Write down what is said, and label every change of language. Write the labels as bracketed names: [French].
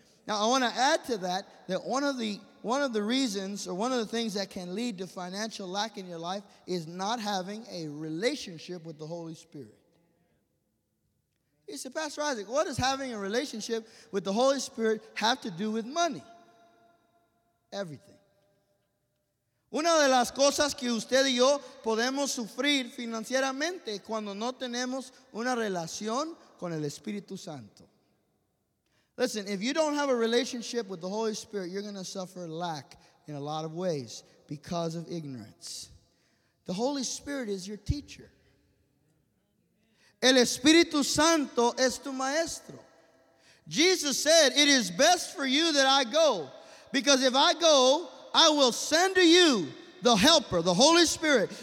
[English] Now, I want to add to that that one of the reasons or one of the things that can lead to financial lack in your life is not having a relationship with the Holy Spirit. You say, Pastor Isaac, what does having a relationship with the Holy Spirit have to do with money? Everything. [Spanish] Una de las cosas que usted y yo podemos sufrir financieramente cuando no tenemos una relación con el Espíritu Santo. [English] Listen, if you don't have a relationship with the Holy Spirit, you're going to suffer lack in a lot of ways because of ignorance. The Holy Spirit is your teacher. [Spanish] El Espíritu Santo es tu maestro. [English] Jesus said, "It is best for you that I go, because if I go, I will send to you the Helper, the Holy Spirit.